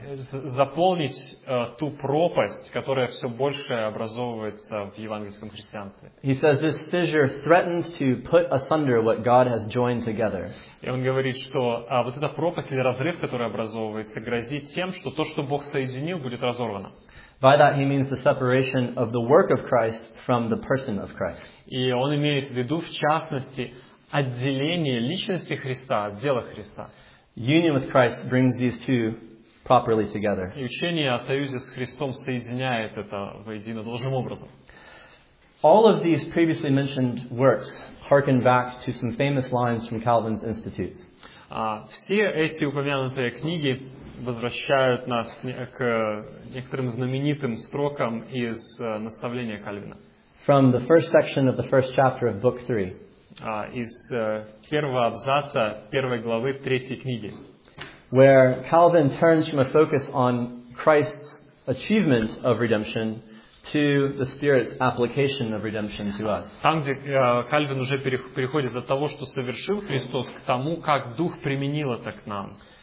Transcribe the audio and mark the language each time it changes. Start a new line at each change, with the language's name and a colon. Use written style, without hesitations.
Russian: Заполнить ту пропасть, которая все больше образовывается в евангельском христианстве.
English: He says this fissure threatens to put asunder what God has joined together.
Russian: И он говорит, что вот эта пропасть или разрыв, который образовывается, грозит тем, что то, что Бог соединил, будет разорвано.
English: By that he means the separation of the work of Christ from the person of Christ.
Russian: И он имеет в виду, в частности, отделение личности Христа от дела Христа.
English: Union with Christ brings these two properly together.
Russian: И учение о союзе с Христом соединяет это воедино должным образом.
English: All of these previously mentioned works harken back to some famous lines from Calvin's Institutes.
Russian: Все эти упомянутые книги возвращают нас к некоторым знаменитым строкам из наставления Кальвина.
English: From the first section of the first chapter of book 3.
Russian: Из первого абзаца первой главы третьей книги.
English: Where Calvin turns from a focus on Christ's achievement of redemption to the Spirit's application of redemption to us.
Russian: Там, где Кальвин уже переходит от того, что совершил Христос, к тому, как Дух применил это к нам.